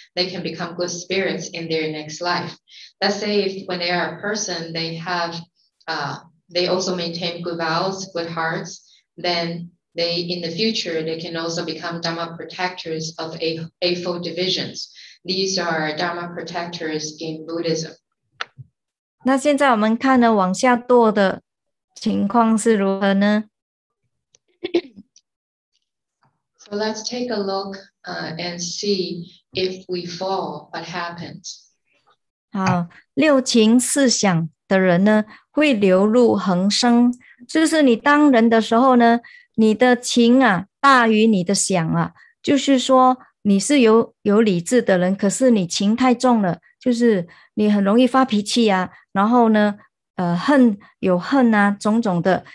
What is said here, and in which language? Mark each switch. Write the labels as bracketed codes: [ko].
[en] They can become good spirits in their next life. Let's say if when they are a person, they have, they also maintain good vows, good hearts, then they, in the future, they can also become Dharma protectors of eightfold divisions. These are Dharma protectors in Buddhism. [zh] 那现在我们看呢，往下堕的情况是如何呢？ [en] So let's take a look and see if we fall, what happens. [zh] 好，六情四想的人呢，会流入恒生。就是你当人的时候呢，你的情啊，大于你的想啊。就是说，你是有理智的人，可是你情太重了，就是你很容易发脾气啊，然后呢，恨，有恨啊，种种的。